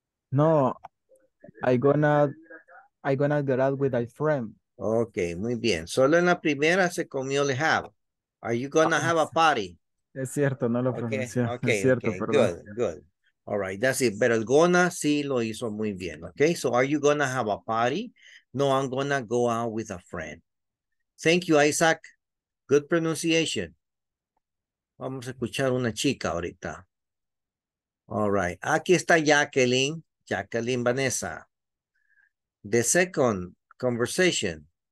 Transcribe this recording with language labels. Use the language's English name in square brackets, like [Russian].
[English] No, I gonna go out with a friend. [Spanish] Okay, muy bien. Solo en la primera se comió el have. [English] Are you going to have a party? [Spanish] Es cierto, no lo pronuncié. [English] Okay, [Spanish] es cierto, [English] okay. Good, good. All right, that's it. [Spanish] Pero el gonna sí lo hizo muy bien. [English] Okay, so are you going to have a party? No, I'm going to go out with a friend. Thank you, Isaac. Good pronunciation. [Spanish] Vamos a escuchar una chica ahorita. [English] All right. [Spanish] Aquí está Jacqueline. Jacqueline Vanessa. [English] The second conversation.